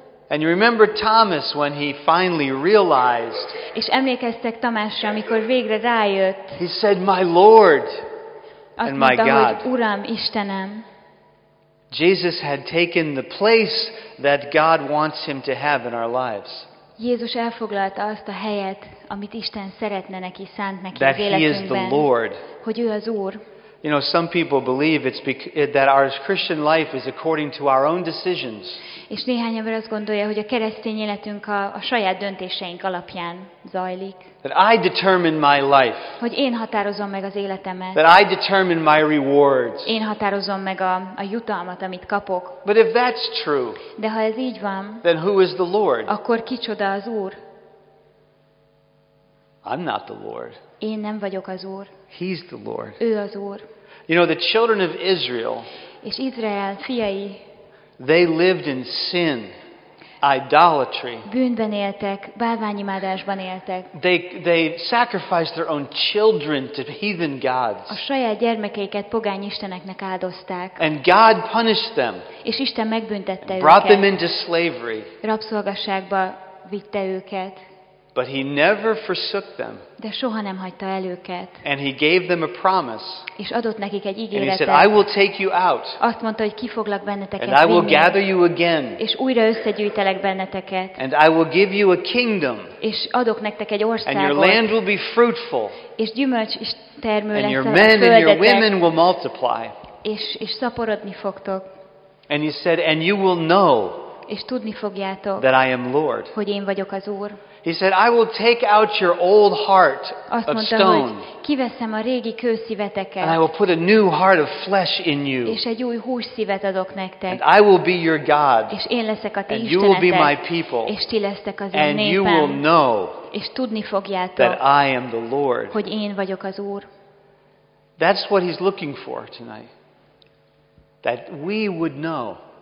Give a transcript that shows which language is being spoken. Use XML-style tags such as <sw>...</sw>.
<en>And you remember Thomas when he finally realized.</en> <hu>És emlékeztek Tamásra, amikor végre rájött.</hu> <en>He said, "My Lord and my God."</en> <hu>Hogy Uram, Istenem.</hu> <en>Jesus had taken the place that God wants him to have in our lives.</en> <hu>Jézus elfoglalta azt a helyet, amit Isten szeretne neki, szánt neki</hu> <en>that</en> <hu>az életünkben.</hu> <en>He is the Lord.</en> <hu>Hogy ő az Úr.</hu> <en>You know, some people believe it's that our Christian life is according to our own decisions.</en> <hu>És néhány ember azt gondolja, hogy a keresztény életünk a saját döntéseink alapján zajlik.</hu> <en>That I determine my life.</en> <hu>Hogy én határozom meg az életemet.</hu> <en>That I determine my rewards.</en> <hu>Én határozom meg a jutalmat, amit kapok.</hu> <en>But if that's true.</en> <hu>De ha ez így van.</hu> <en>Then who is the Lord?</en> <hu>Akkor kicsoda az Úr?</hu> <en>I'm not the Lord.</en> <hu>Én nem vagyok az Úr.</hu> <en>He's the Lord.</en> <hu>Ő az Úr.</hu> <en>You know, the children of Israel.</en> <hu>És Izrael fiai.</hu> <en>They lived in sin, idolatry.</en> <hu>Bűnben éltek, bálványimádásban éltek.</hu> <en>They sacrificed their own children to heathen gods.</en> <hu>A saját gyermekeiket pogány isteneknek áldozták.</hu> <en>And God punished them.</en> <hu>És Isten megbüntette őket.</hu> <en>Brought them into slavery.</en> <hu>Rabszolgaságba vitte őket.</hu> <en>But he never forsook them.</en> <hu>De soha nem hagyta el őket.</hu> <en>And he gave them a promise.</en> <hu>És adott nekik egy ígéretet.</hu> <en>And he said, I will take you out.</en> <hu>Azt mondta, hogy kifoglak benneteket.</hu> <en>And I will gather you again.</en> <hu>És újra összegyűjtelek benneteket.</hu> <en>And I will give you a kingdom.</en> <hu>És adok nektek egy országot.</hu> <en>And your land will be fruitful.</en> <hu>És gyümölcs is termő lesz.</hu> <en>And your men and your women will multiply.</en> <hu>És szaporodni fogtok.</hu> <en>And he said, and you will know.</en> <hu>És tudni fogjátok.</hu> <en>That I am Lord.</en> <hu>Hogy én vagyok az Úr.</hu> <en>He said, I will take out your old heart</en> <hu>azt</hu> <en>of</en> <hu>mondta,</hu> <en>stone.</en> <hu>Kiveszem a régi kőszíveteket.</hu> <en>And I will put a new heart of flesh in you.</en> <hu>És egy új hússzívet adok nektek.</hu> <en>And I will be your God.</en> <hu>És én leszek a ti Istenetek.</hu> <en>And you will be my people.</en> <hu>És ti lesztek az én</hu> <en>and</en> <hu>népem.</hu> <en>You will know</en> <hu>és tudni fogjátok,</hu> <en>that I am the Lord.</en> <hu>Hogy én vagyok az Úr.</hu> <en>That's what he's looking for tonight. That we would know.</en>